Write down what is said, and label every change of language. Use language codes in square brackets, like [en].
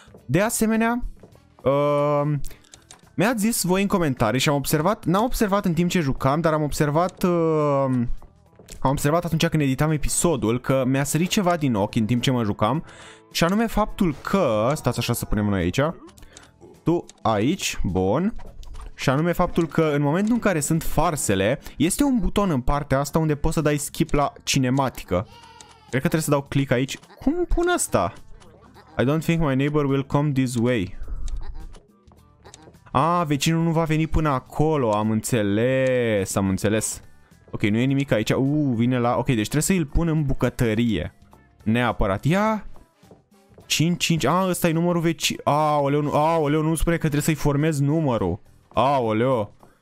[ro] De asemenea, mi-ați zis voi în comentarii și n-am observat în timp ce jucam, dar am observat atunci când editam episodul că mi-a sărit ceva din ochi în timp ce mă jucam. Și anume faptul că, stați așa să punem noi aici, tu aici, bun. Și anume faptul că în momentul în care sunt farsele, este un buton în partea asta unde poți să dai skip la cinematică. Cred că trebuie să dau click aici. Cum pun asta? [en] I don't think my neighbor will come this way. [ro] Vecinul nu va veni până acolo, am înțeles. Ok, nu e nimic aici. Vine la... Ok, deci trebuie să îl pun în bucătărie. Neapărat. Ia! 5-5. Ăsta e numărul vecin. Aoleu, nu-mi spune că trebuie să-i formez numărul. Aoleu.